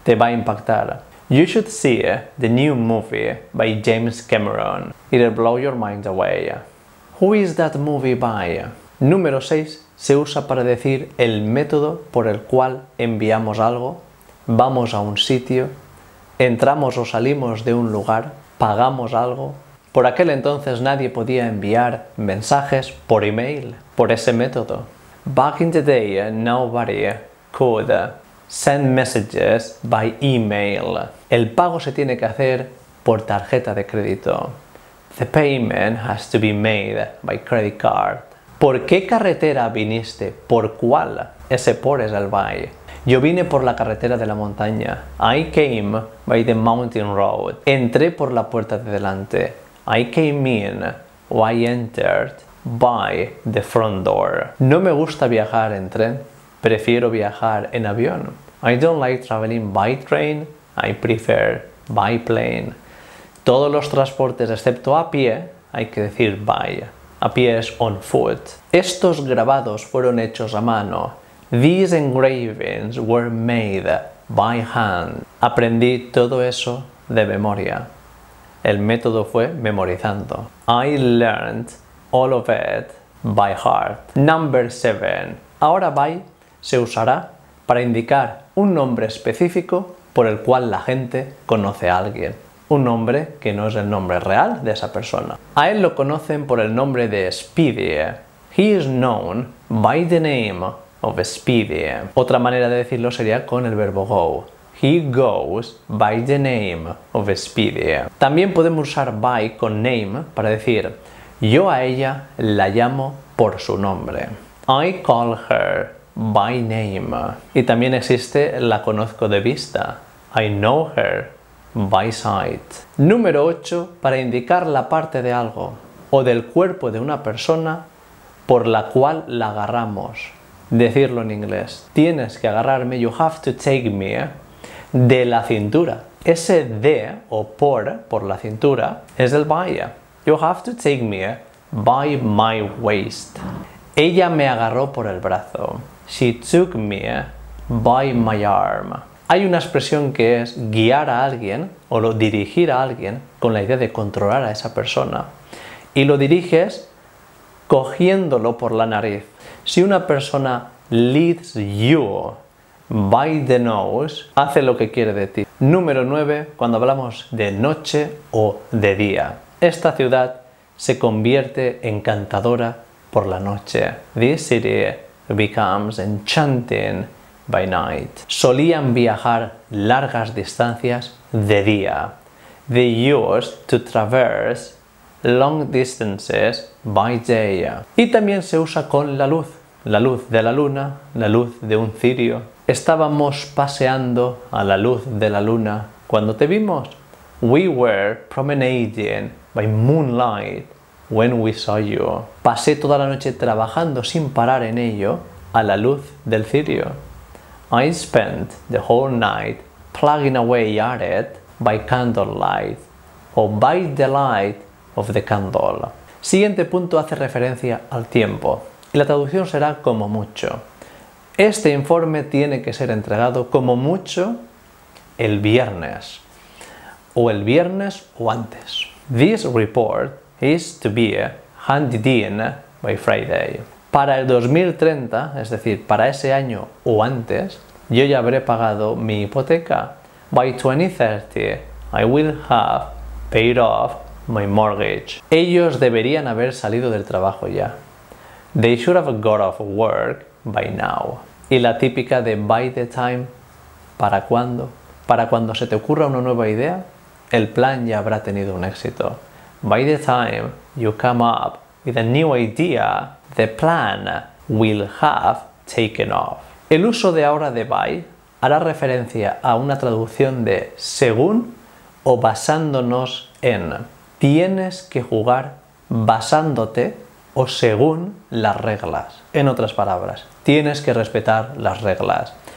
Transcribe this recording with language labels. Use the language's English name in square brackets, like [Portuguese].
[Spanish] Te va a impactar. [English] You should see the new movie by James Cameron. It'll blow your mind away. Who is that movie by? [Spanish] Número 6. Se usa para decir el método por el cual enviamos algo, vamos a un sitio, entramos o salimos de un lugar, pagamos algo. Por aquel entonces nadie podía enviar mensajes por email por ese método. [English] Back in the day, nobody could send messages by email. [Spanish] El pago se tiene que hacer por tarjeta de crédito. [English] The payment has to be made by credit card. [Spanish] ¿Por qué carretera viniste? ¿Por cuál? Ese por es el by. Yo vine por la carretera de la montaña. [English] I came by the mountain road. [Spanish] Entré por la puerta de delante. [English] I came in or I entered by the front door. [Spanish] No me gusta viajar en tren. Prefiero viajar en avión. [English] I don't like traveling by train. I prefer by plane. [Spanish] Todos los transportes excepto a pie hay que decir by. A pies, [English] on foot. [Spanish] Estos grabados fueron hechos a mano. [English] These engravings were made by hand. [Spanish] Aprendí todo eso de memoria. El método fue memorizando. [English] I learned all of it by heart. Number 7. [Spanish] Ahora by se usará para indicar un nombre específico por el cual la gente conoce a alguien. Un nombre que no es el nombre real de esa persona. A él lo conocen por el nombre de Speedy. [English] He is known by the name of Speedy. [Spanish] Otra manera de decirlo sería con el verbo go. [English] He goes by the name of Speedy. [Spanish] También podemos usar by con name para decir yo a ella la llamo por su nombre. [English] I call her by name. [Spanish] Y también existe la conozco de vista. [English] I know her. By sight. [Spanish] Número 8. Para indicar la parte de algo o del cuerpo de una persona por la cual la agarramos. Decirlo en inglés. Tienes que agarrarme. [English] You have to take me. [Spanish] De la cintura. Ese de o por la cintura, es el by. [English] You have to take me by my waist. [Spanish] Ella me agarró por el brazo. [English] She took me by my arm. [Spanish] Hay una expresión que es guiar a alguien o lo dirigir a alguien con la idea de controlar a esa persona. Y lo diriges cogiéndolo por la nariz. Si una persona [English] leads you by the nose, [Spanish] hace lo que quiere de ti. Número 9, cuando hablamos de noche o de día. Esta ciudad se convierte encantadora por la noche. [English] This city becomes enchanting. By night. [Spanish] Solían viajar largas distancias de día. [English] They used to traverse long distances by day. [Spanish] Y también se usa con la luz de la luna, la luz de un cirio. Estábamos paseando a la luz de la luna cuando te vimos. [English] We were promenading by moonlight when we saw you. [Spanish] Pasé toda la noche trabajando sin parar en ello a la luz del cirio. [English] I spent the whole night plugging away at it by candlelight or by the light of the candle. [Spanish] Siguiente punto hace referencia al tiempo y la traducción será como mucho. Este informe tiene que ser entregado como mucho el viernes o el viernes o antes. [English] This report is to be handed in by Friday. [Spanish] Para el 2030, es decir, para ese año o antes, yo ya habré pagado mi hipoteca. [English] By 2030, I will have paid off my mortgage. [Spanish] Ellos deberían haber salido del trabajo ya. [English] They should have got off work by now. [Spanish] Y la típica de by the time, ¿para cuándo? Para cuando se te ocurra una nueva idea, el plan ya habrá tenido un éxito. [English] By the time you come up with a new idea, the plan will have taken off. [Spanish] El uso de ahora de by hará referencia a una traducción de según o basándonos en. Tienes que jugar basándote o según las reglas. En otras palabras, tienes que respetar las reglas.